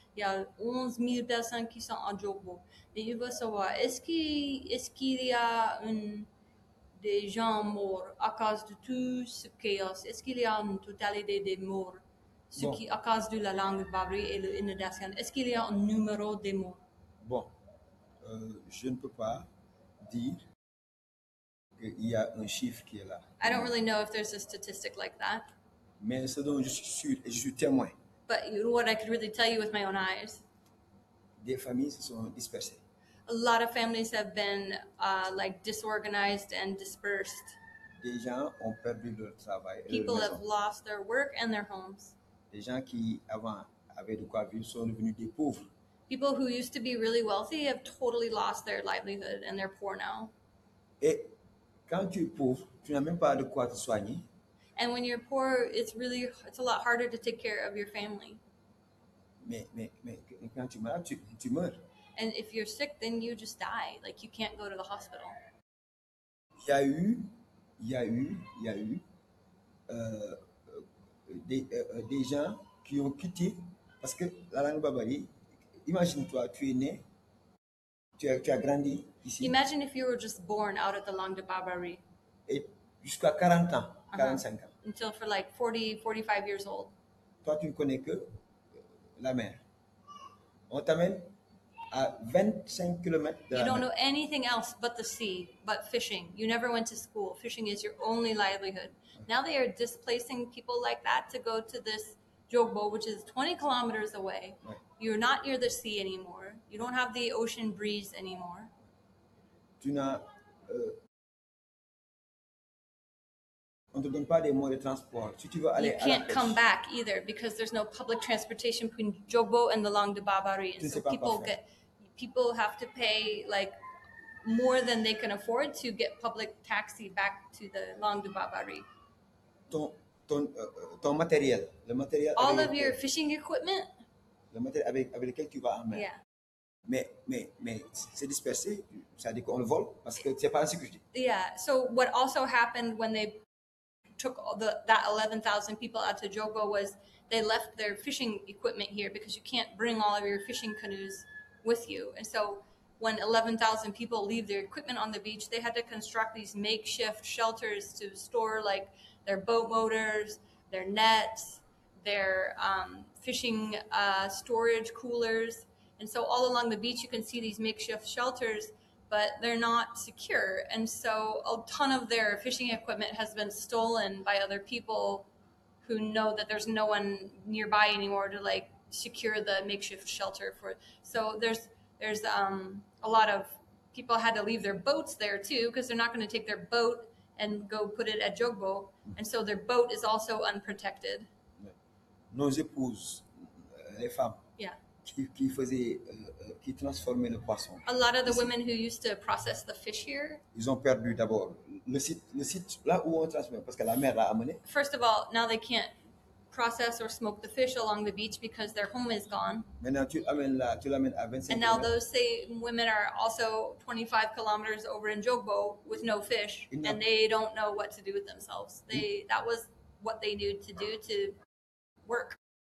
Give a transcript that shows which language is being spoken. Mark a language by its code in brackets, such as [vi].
[fr] Il y a 11 000 personnes qui sont à Djobo. Et il veut savoir, est-ce qu'il y a des gens morts à cause de tout ce chaos? Est-ce qu'il y a une totalité des morts à cause de la langue babri et l'inondation? Est-ce qu'il y a un numéro des morts? Bon, je ne peux pas dire. Il y a un chiffre qui est là. [en] I don't really know if there's a statistic like that. [fr] Mais ce dont je suis sûr et je suis témoin. [en] But you know what I could really tell you with my own eyes. [fr] Des familles se sont dispersées. [en] A lot of families have been disorganized and dispersed. [fr] Des gens ont perdu leur travail. [en] People have lost their work and their homes. [fr] Des gens qui avant avaient de quoi vivre sont devenus des pauvres. [en] People who used to be really wealthy have totally lost their livelihood and they're poor now. [fr] Et quand tu es pauvre, tu n'as même pas de quoi te soigner. [en] And when you're poor, it's a lot harder to take care of your family. [fr] Mais quand tu meurs, tu meurs. [en] And if you're sick, then you just die. Like, you can't go to the hospital. [fr] Il y a eu des gens qui ont quitté, parce que la langue babari, imagine-toi, tu es né, tu as grandi. [en] Imagine if you were just born out of the Langue de Babari. [fr] Et jusqu'à 40 ans, 45 ans. [en] Until for like 40, 45 years old. [fr] Toi, tu ne connais que la mer. On t'amène à 25 kilomètres de la mer. [en] You don't know anything else but the sea, but fishing. You never went to school. Fishing is your only livelihood. Now they are displacing people like that to go to this Djobo, which is 20 kilometers away. [fr] Ouais. [en] You're not near the sea anymore. You don't have the ocean breeze anymore. [fr] On te donne pas des moyens de transport. Si tu veux aller [en] you can't [fr] à la pêche, [en] come back either because there's no public transportation between Djobo and the Langue de Babari. And so people have to pay like more than they can afford to get public taxi back to the Langue de Babari. [fr] Ton matériel, le matériel. [en] All of your fishing equipment. [fr] Le matériel avec lequel tu vas en mer. [en] Yeah. [fr] Mais c'est dispersé, ça veut dire qu'on le vole parce que c'est pas en sécurité. [en] Yeah, so what also happened when they took that 11,000 people out to Djobo was they left their fishing equipment here because you can't bring all of your fishing canoes with you. And so when 11,000 people leave their equipment on the beach, they had to construct these makeshift shelters to store like their boat motors, their nets, their fishing storage coolers. And so all along the beach, you can see these makeshift shelters, but they're not secure. And so a ton of their fishing equipment has been stolen by other people who know that there's no one nearby anymore to like secure the makeshift shelter for. So there's a lot of people had to leave their boats there too, because they're not going to take their boat and go put it at Djobo. And so their boat is also unprotected. [fr] Nos épouses, les femmes. [en] Yeah. [fr] Qui faisait, qui transformait le poisson. [en] A lot of the women who used to process the fish here. [fr] Ils ont perdu d'abord le site là où on transmet parce que la mer l'a amené. [en] First of all, now they can't process or smoke the fish along the beach because their home is gone. [fr] Maintenant tu l'amènes à 25. [en] And now those same women are also 25 kilometers over in Djobo with no fish, and they don't know what to do with themselves. That was what they needed to do to work.